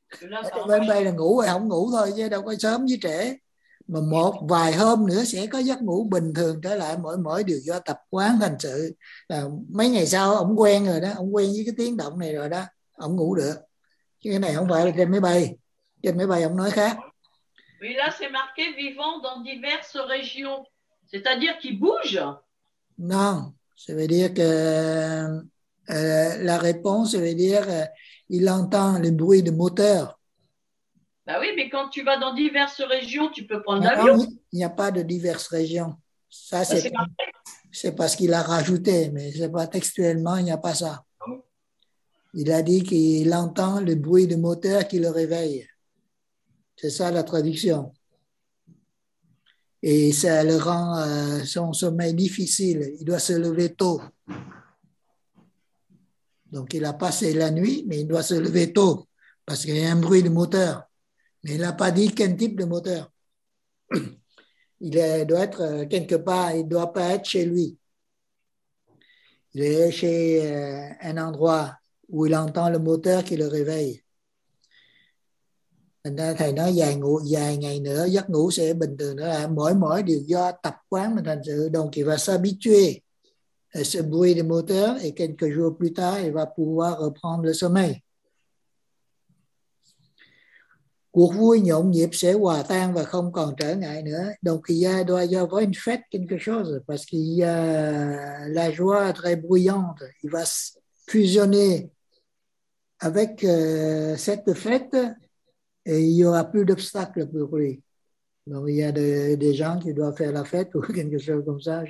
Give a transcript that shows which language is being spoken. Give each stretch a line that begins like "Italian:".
Vietnamese: Ở trên máy bay là ngủ rồi không ngủ thôi, chứ đâu có sớm với trễ. Mà một vài hôm nữa sẽ có giấc ngủ bình thường trở lại, mỗi mỗi điều do tập quán thành sự. Là mấy ngày sau ông quen rồi đó, ông quen với cái tiếng động này rồi đó, ông ngủ được. Chứ cái này không phải là trên máy bay. Trên máy bay ông nói khác.
French: Oui, là c'est marqué vivant dans diverses régions, c'est-à-dire qu'il bouge. Non, ça veut dire que la réponse veut dire il entend le bruit de moteur. Bah oui, mais quand tu vas dans diverses régions, tu peux prendre l'avion. Non, il n'y a pas de diverses régions. Ça, c'est parce qu'il a rajouté, mais c'est pas textuellement, il n'y a pas ça. Il a dit qu'il entend le bruit de moteur qui le réveille. C'est ça la traduction. Et ça le rend son sommeil difficile. Il doit se lever tôt. Donc il a passé la nuit, mais il doit se lever tôt parce qu'il y a un bruit de moteur. Mais il n'a pas dit quel type de moteur. Il doit être quelque part, il ne doit pas être chez lui. Il est chez un endroit où il entend le moteur qui le réveille.
Vietnamese: Thầy nói dài ngủ dài ngày nữa giấc ngủ sẽ bình thường nữa, là mỗi mỗi điều do tập quán mình thành sự.
French: Donc qui va s'habituer à ce bruit de moteur et quelques jours plus tard il va pouvoir reprendre le sommeil.
Vietnamese: Cuộc vui nhộn nhịp sẽ hòa tan và không còn trở ngại nữa.
French: Donc il y a doit y avoir une fête quelque chose parce que la joie très bruyante, il va fusionner avec cette fête. Et il n'y aura plus d'obstacles pour lui. Donc, il y a des gens qui doivent faire la fête ou quelque chose comme ça.